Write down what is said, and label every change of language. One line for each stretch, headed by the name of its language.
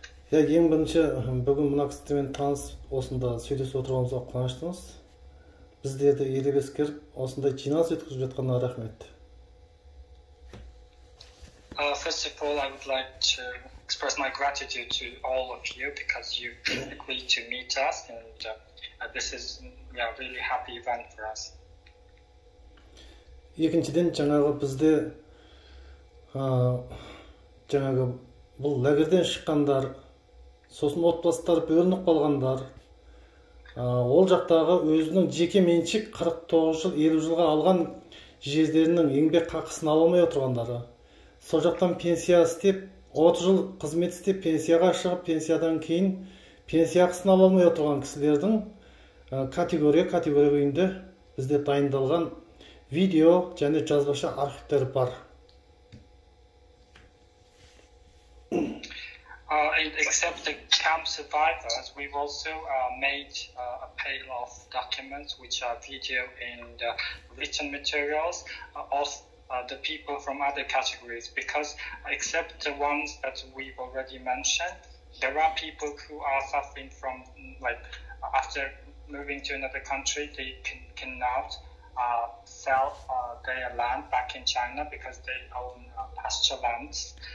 Kazakh: Ең бірінші бүгін мына кісімен танысып осында сөйлесіп отырғанымызға қуаныштымыз. Біздерді елебес керіп осындай жиналыс өткізіп жатқанына рахмет.
English: First of all, I would like to express my gratitude to all of you because you agreed to meet us, and this is a really happy event for us.
Kazakh: Екіншіден жаңағы бізде жаңағы бұл лагерден шыққандар, сосын отбасылар бөлініп қалғандар, ол жақтағы өзінің жеке меншік 49 жыл 50 жылға алған жерлерінің еңбек қақысын ала алмай отырғандары, сол жақтан пенсия істеп 30 жыл қызмет істеп пенсияға шығып пенсиядан кейін пенсия ақысын ала алмай отырған кісілердің категория бойынша бізде дайындалған видео және жазбаша архивтер бар.
English: And except the camp survivors, we've also made a pile of documents, which are video and written materials of the people from other categories. Because except the ones that we've already mentioned, there are people who are suffering from, like, after moving to another country, they cannot sell their land back in China because they own pasture lands.